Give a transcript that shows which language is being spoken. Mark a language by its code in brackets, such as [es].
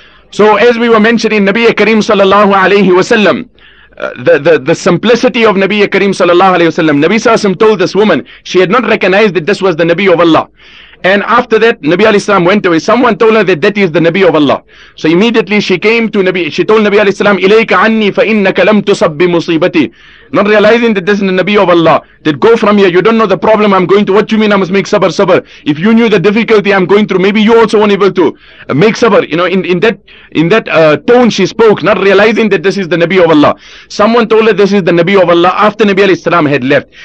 [en] So as we were mentioning, Nabi Kareem sallallahu alayhi wa sallam, the simplicity of Nabi Kareem sallallahu alayhi wa sallam, Nabi sallallahu alayhi wa sallam told this woman, she had not recognized that this was the Nabi of Allah. And after that, Nabi alayhi salam went away. Someone told her that is the Nabi of Allah. So immediately she came to Nabi. She told Nabi alayhi salam, [ar] إِلَيْكَ عَنِّي فَإِنَّكَ لَمْ تُصَبْ بِمُصِيبَتِي. [en] Not realizing that this is the Nabi of Allah. That go from here. You don't know the problem I'm going to. What do you mean I must make sabr, sabr? If you knew the difficulty I'm going through, maybe you also won't able to make sabr. You know, in that tone she spoke, not realizing that this is the Nabi of Allah. Someone told her this is the Nabi of Allah after Nabi alayhi salam had left.